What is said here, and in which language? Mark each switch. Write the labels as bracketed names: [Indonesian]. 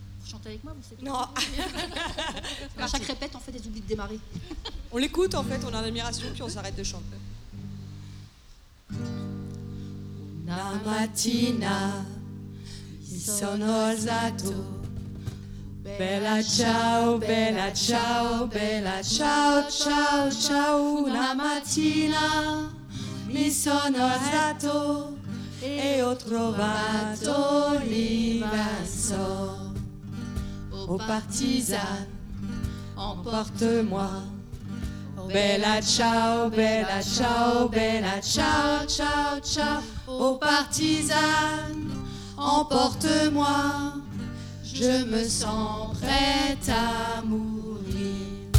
[French] partez avec moi, vous savez. Non. À chaque répète, on fait des oublis de démarrer. On l'écoute, en fait, on a l'admiration, puis on s'arrête de chanter. [Italian] Una mattina mi sono alzato. Bella ciao, bella ciao, bella ciao, ciao, ciao. Una mattina mi sono alzato e ho trovato l'inverso. [French] Oh partisan, emporte-moi. Bella ciao, bella ciao, bella ciao, ciao, ciao. Oh partisan, emporte-moi. Je me sens prête à mourir.